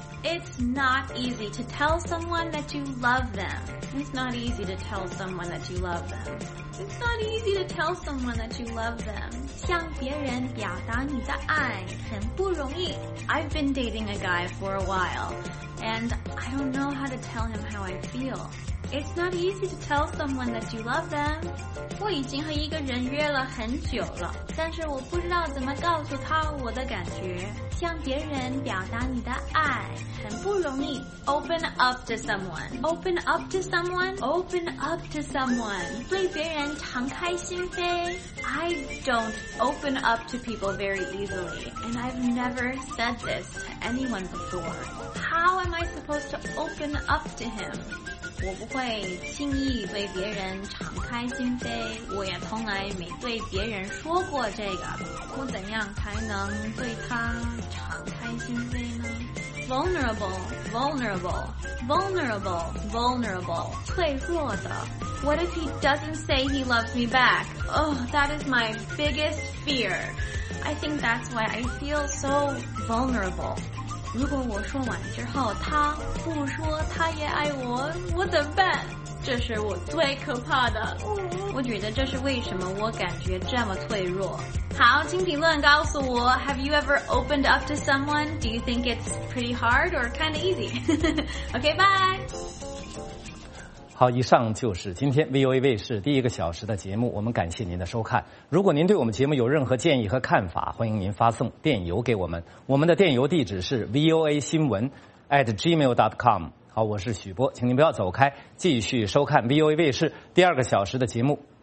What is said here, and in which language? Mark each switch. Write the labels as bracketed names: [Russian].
[English] It's not easy to tell someone that you love them. It's not easy to tell someone that you love them. It's not easy to tell someone that you love them. [Chinese] 向别人表达你的爱很不容易。 [English] I've been dating a guy for a while, and I don't know how to tell him how I feel. It's not easy to tell someone that you love them. [Chinese] 我已经和一个人约了很久了，但是我不知道怎么告诉他我的感觉。向别人表达你的爱很不容易。 [English] Open up to someone. Open up to someone. Open up to someone. [Chinese] 对别人敞开心扉。 [English] I don't open up to people very easily, and I've never said this to anyone before. How am I supposed to open up to him? [Chinese] 我不会轻易对别人敞开心扉，我也从来没对别人说过这个。我怎样才能对他敞开心扉呢？ [English] Vulnerable, vulnerable, vulnerable, vulnerable, [Chinese] 脆弱的。 [English] What if he doesn't say he loves me back? Oh, that is my biggest fear. I think that's why I feel so vulnerable. [Chinese] 如果我说完之后他不说他也爱我，我怎么办？这是我最可怕的。我觉得这是为什么我感觉这么脆弱。好，请评论告诉我 [English] Have you ever opened up to someone? Do you think it's pretty hard or kind of easy? OK, bye! [Chinese] 好，以上就是今天 VOA 卫视第一个小时的节目，我们感谢您的收看。如果您对我们节目有任何建议和看法，欢迎您发送电邮给我们，我们的电邮地址是 voa 新闻@gmail.com。好，我是许波，请您不要走开，继续收看 VOA 卫视第二个小时的节目。